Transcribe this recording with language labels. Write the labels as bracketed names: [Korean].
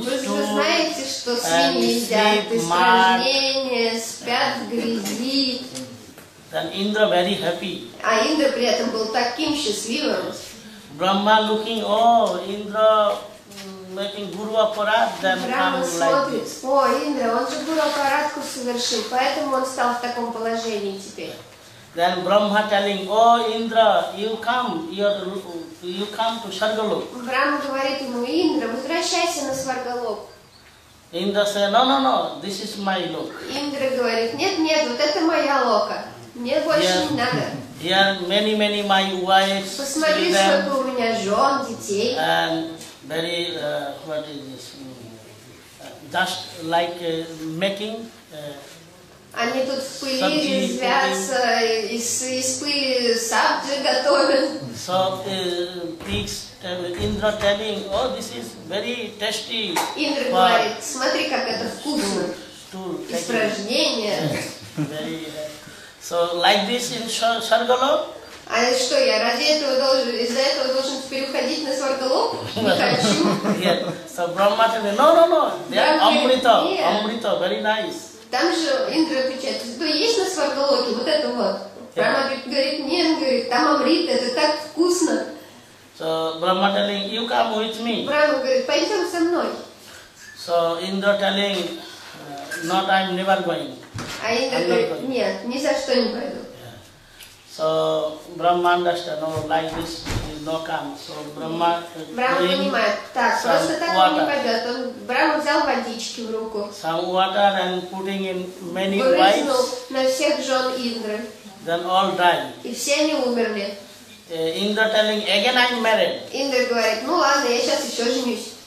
[Russian] stool, вы знаете, что свиньи едят испражнения, спят в грязи. [English] Then Indra very happy. [Russian] А Индра при этом был таким счастливым. [English] Brahma looking, oh, Indra making guru aparadha, then Brahma come [Russian] смотрит, [English] like this. [Russian] О, Индра, он же guru aparadha совершил, поэтому он стал в таком положении теперь. [English] Then Brahma telling, oh, Indra, you come, you come to Sargalok. [Russian] Брахма говорит ему, Индра, возвращайся на Сваргалок. [English] Индра say, no, this is my lok. [Russian] Индра говорит, нет, вот это моя лока. Мне больше не надо. [English] Here many my wives. [Russian] Посмотри, сколько у меня жен, детей. [English] And very, what is this? Just like making. [Russian] Они тут в пыли резвятся, из пыли сабджи готовят. [English] So pigs, Indra telling, oh, this is very tasty. [Russian] Индра говорит, смотри, как это вкусно. [English] Stool, [Russian] испражнение. [English] Very, so like this in Sargalok? [Russian] А что я ради этого должен, из-за этого должен теперь уходить на Сваргалок? Не хочу. [English] Yeah. So Brahma telling, no. Amrita, Amrita, very nice. [Russian] Там же Индра отвечает, что есть на Сваргалоке, вот это вот. [English] Yeah. [Russian] Брахма говорит, нет, говорит, там амрит, это так вкусно. [English] So Brahma telling, you come with me. [Russian] Брахма говорит, пойдем со мной. [English] So Indra telling, not, I'm never going. [Russian] А Индра говорит, нет, ни за что не пойду. [English] So Brahma understand, oh, like this is no come. So Brahma [Russian] понимает, так, просто так [English] water. [Russian] Он не пойдет. Он Брахма взял водички в руку. [English] Some water and putting in many wives. [Russian] На всех жен Индры. [English] Then all die. [Russian] И все они умерли. [English] Indra telling, again I'm married. [Russian] Индра говорит, ну ладно, я сейчас еще женюсь.